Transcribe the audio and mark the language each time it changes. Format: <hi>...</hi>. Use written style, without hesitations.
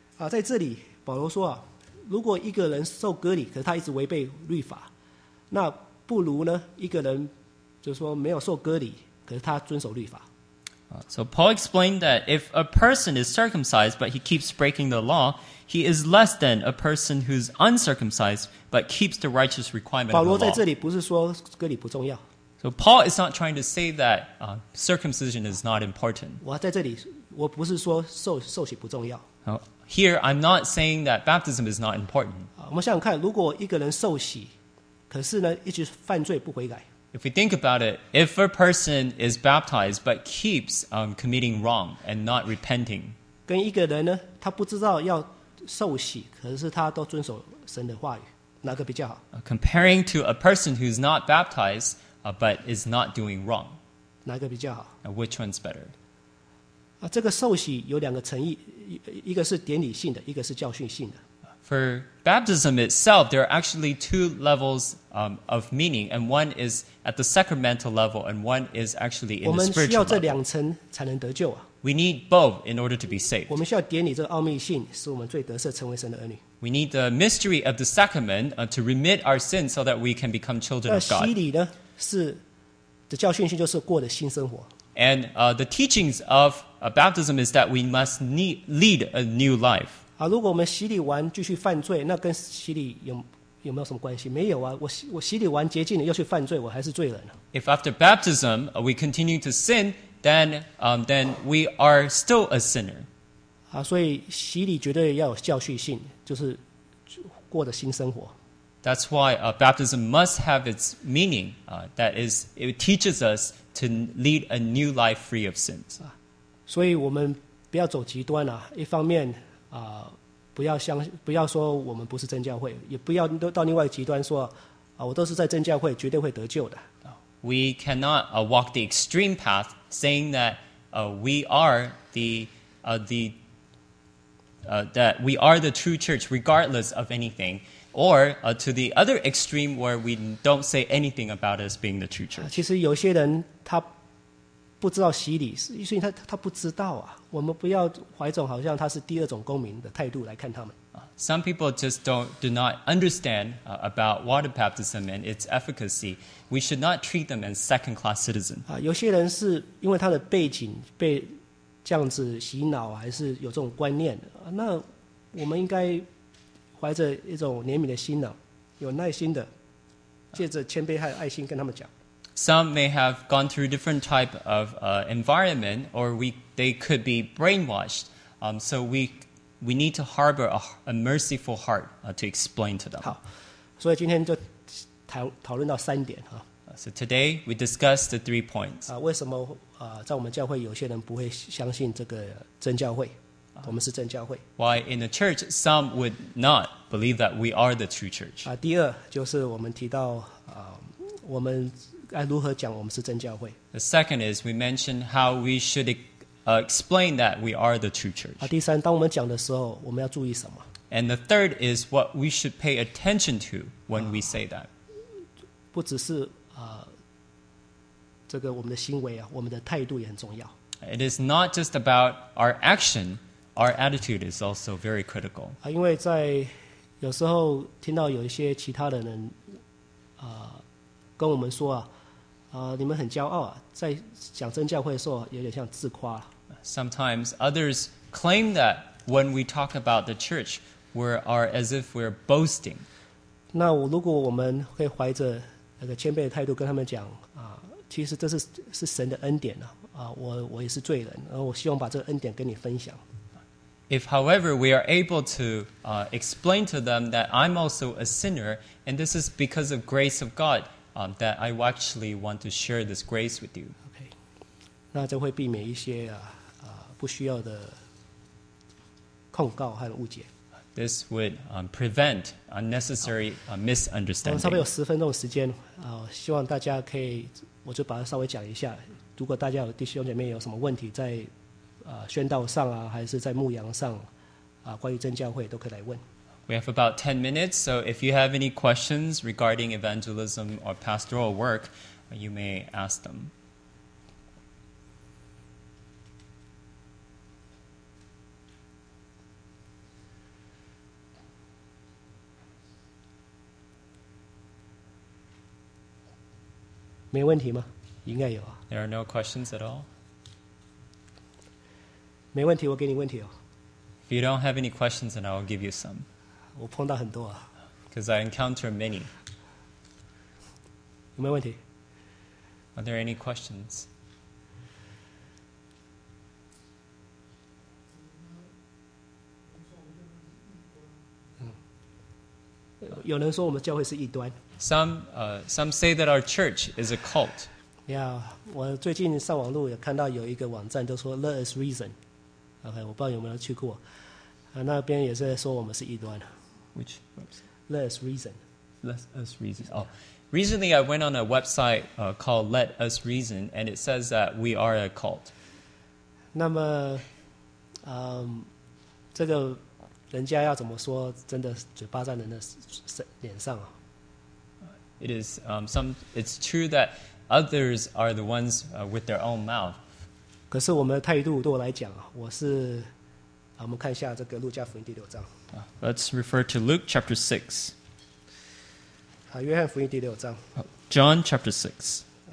<zh>在这里保罗说啊，如果一个人受割礼，可是他一直违背律法，那不如呢一个人就是说没有受割礼，可是他遵守律法。</zh> <en>So Paul explained that if a person is circumcised but he keeps breaking the law, he is less than a person who's uncircumcised but keeps the righteous requirement of the law.</en> <zh>保罗在这里不是说割礼不重要。</zh> <en>So Paul is not trying to say that circumcision is not important.</en> <zh>我在这里，我不是说受洗不重要。</zh> <en>Here, I'm not saying that baptism is not important.</en> <zh>我们想想看，如果一个人受洗，可是呢一直犯罪不悔改。</zh> <en>If we think about it, if a person is baptized but keeps committing wrong and not repenting,</en> <zh>跟一个人呢，他不知道要受洗，可是他都遵守神的话语，哪个比较好？</zh> <en>Comparing to a person who's not baptized. But is not doing wrong.</en> <zh>哪个比较好？</zh> <en>Which one's better?</en> <zh>这个受洗有两个层意，一个是典礼性的，一个是教训性的。</zh> <en>For baptism itself, there are actually two levels of meaning, and one is at the sacramental level, and one is actually in the spiritual level.</en> <zh>我们需要这两层才能得救啊。</zh> <en>We need both in order to be saved.</en> <zh>我们需要典礼这个奥秘性，使我们最得胜，成为神的儿女。</zh> <en>We need the mystery of the sacrament to remit our sins so that we can become children of God.</en> <zh>洗礼呢？是的教训性就是过的新生活。</zh> <en>And the teachings of baptism is that we must lead a new life.</en> <zh>如果我们洗礼完继续犯罪，那跟洗礼有没有什么关系？没有啊，我洗礼完洁净了又去犯罪，我还是罪人。</zh> <en>If after baptism we continue to sin, then we are still a sinner.</en> <zh>所以洗礼绝对要有教训性，就是过的新生活。</zh> <en>That's why baptism must have its meaning. That is, it teaches us to lead a new life free of sins.</en> <zh>所以我们不要走极端啊。一方面，不要说我们不是真教会，也不要到另外一个极端说，我都是在真教会，绝对会得救的。</zh> <en>We cannot walk the extreme path, saying that we are the true church, regardless of anything. Or to the other extreme where we don't say anything about us being the true church.</en> <zh>其实有些人他不知道洗礼，所以他不知道啊。我们不要怀种好像他是第二种公民的态度来看他们。</zh> <en>Some people just do not understand about water baptism and its efficacy. We should not treat them as second class citizens.</en> <zh>有些人是因为他的背景被这样子洗脑，还是有这种观念，那我们应该怀着一种怜悯的心呢，有耐心的，借着谦卑和爱心跟他们讲。</zh> <en>Some may have gone through different type of environment, or they could be brainwashed. So we need to harbor a merciful heart to explain to them.</en> <zh>好，所以今天就讨论到三点哈。</zh> <en>So today we discuss the three points.</en> <zh>为什么在我们教会有些人不会相信这个真教会？我们是真教会。</zh> <en>Why in the church some would not believe that we are the true church?</en> <zh>第二就是我们提到我们该如何讲我们是真教会。</zh> <en>The second is we mentioned how we should explain that we are the true church.</en> <zh>第三，当我们讲的时候，我们要注意什么</zh> <en>？And the third is what we should pay attention to when we say that.</en> <zh>不只是这个我们的行为啊，我们的态度也很重要。</zh> <en>It is not just about our action. Our attitude is also very critical.</en> <zh>因为在有时候听到有一些其他的人跟我们说你们很骄傲啊，在讲真教会的时候有点像自夸。</zh> <en>Sometimes others claim that when we talk about the church, are as if we're boasting.</en> <zh>那如果我们会怀着那个谦卑的态度跟他们讲其实这是神的恩典我也是罪人，然后我希望把这个恩典跟你分享。</zh> <en>If, however, we are able to explain to them that I'm also a sinner, and this is because of grace of God that I actually want to share this grace with you. Okay.</en> <zh>那就会避免一些不需要的控告和误解。</zh> <en>This would prevent unnecessary misunderstanding.</en> <zh>差不多有十分钟时间希望大家可以，我就把它稍微讲一下。如果大家有弟兄姐妹有什么问题，在宣道上还是在牧羊上关于真教会都可以来问。</zh> <en>We have about 10 minutes, so if you have any questions regarding evangelism or pastoral work, you may ask them. There are no questions at all?</en> <zh>没问题，我给你问题哦。</zh> <en>If you don't have any questions, then I'll give you some.</en> <zh>我碰到很多啊。</zh> <en>Because I encounter many.</en> <zh>有没有问题？</zh> <en>Are there any questions?</en> <zh>有人说我们教会是异端。</zh> <en>Some say that our church is a cult.</en> <zh>Yeah, 我最近上网路也看到有一个网站，就说 Let us reason. Okay, 我不知道有没有去过那边也是说我们是异端。</zh> <en>Which website? Let Us Reason. Let Us Reason. Oh, recently I went on a website called Let Us Reason, and it says that we are a cult.</en> <zh>那么这个人家要怎么说真的嘴巴在人的脸上啊？</zh> <en>It is, it's true that others are the ones with their own mouth.</en> <zh>可是我们的态度对我来讲我是我们看一下这个路加福音第六章。</zh> <en>Let's refer to Luke chapter 6.</en> <zh>约翰福音第六章。</zh> <en>John chapter 6.</en>